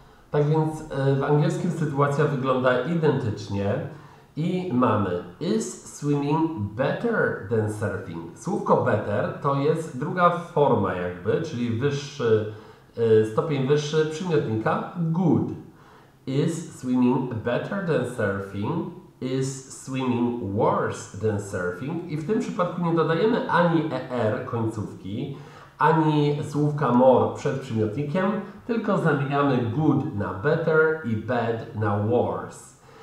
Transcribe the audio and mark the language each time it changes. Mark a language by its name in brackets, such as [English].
[Polish] Tak więc w angielskim sytuacja wygląda identycznie i mamy [English] is swimming better than surfing? [Polish] Słówko better to jest druga forma jakby, czyli wyższy, stopień wyższy przymiotnika good. [English] Is swimming better than surfing? Is swimming worse than surfing? [Polish] I w tym przypadku nie dodajemy ani er końcówki, ani słówka more przed przymiotnikiem, tylko zamieniamy good na better i bad na worse.